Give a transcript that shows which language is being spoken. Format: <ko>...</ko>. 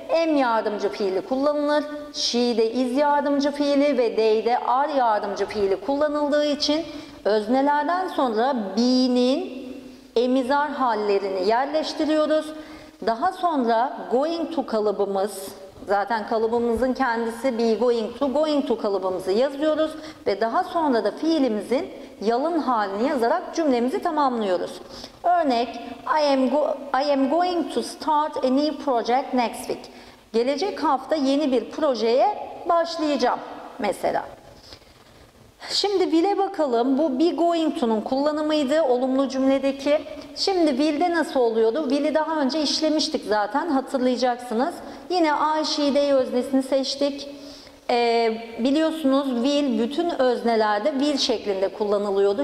<tr>Am yardımcı fiili kullanılır. She'de is yardımcı fiili ve they'de are yardımcı fiili kullanıldığı için öznelerden sonra be'nin emizar hallerini yerleştiriyoruz. Daha sonra going to kalıbımız, zaten kalıbımızın kendisi be going to, going to kalıbımızı yazıyoruz. Ve daha sonra da fiilimizin yalın halini yazarak cümlemizi tamamlıyoruz. Örnek,</tr> <en>I am going to start a new project next week.</en> <tr>Gelecek hafta yeni bir projeye başlayacağım mesela. Şimdi will'e bakalım. Bu be going to'nun kullanımıydı olumlu cümledeki. Şimdi will'de nasıl oluyordu? Will'i daha önce işlemiştik zaten, hatırlayacaksınız. Yine I, she, they öznesini seçtik. Biliyorsunuz will bütün öznelerde will şeklinde kullanılıyordu.</tr>